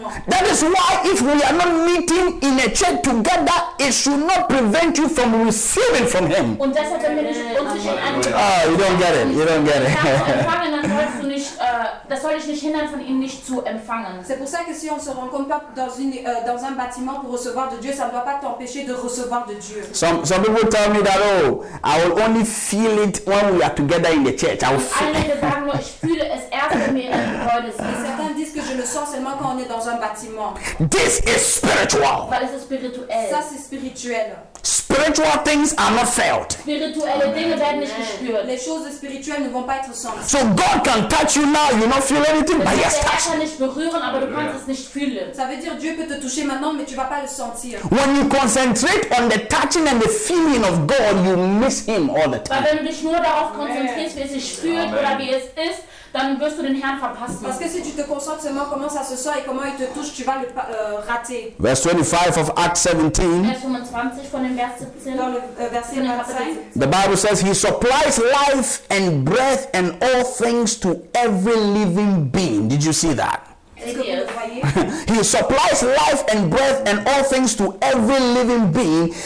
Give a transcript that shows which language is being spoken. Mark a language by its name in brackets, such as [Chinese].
[English] That is why if we are not meeting in a church together, it should not prevent you from receiving from him. Oh, you don't get it. [German] Das soll dich nicht hindern, von ihm nicht zu empfangen. [French] C'est pour ça que si on se rencontre pas dans un bâtiment pour recevoir de Dieu, ça ne doit pas t'empêcher de recevoir de Dieu. [English] Some people tell me that, oh, I will only feel it when we are together in the church. I will feel it. [German] Ich fühle es erst, wenn wir in der Gebäude sind. [French] Et certains disent que je le sens seulement quand on est dans un bâtiment. [English] This is spiritual. [German] Weil es ist spirituel. [French] Ça, c'est spirituel. [English] Spiritual things are not felt. [German] Spirituelle Dinge werden nicht gespürt. [French] Les choses spirituelles ne vont pas être senties. [English] So God can touch you now, you don't feel anything, but yes. [German] Er kann dich berühren, aber du kannst es nicht fühlen. [French] Ça veut dire Dieu peut te toucher maintenant, mais tu vas pas le sentir. [English] When you concentrate on the touching and the feeling of God, you miss him all the time. [German] Weil wenn du dich nur darauf konzentrierst, wie es sich fühlt oder wie es ist, dann wirst du den Herrn verpassen. [French] Parce que si tu te concentres seulement comment ça se sent et comment il te touche, tu vas le rater. [English] Verse 25 of Acts 17. [German] Vers 25 von dem Vers 17. [English] The Bible says he supplies life and breath and all things to every living being. Did you see that? He supplies life and breath and all things to every living being.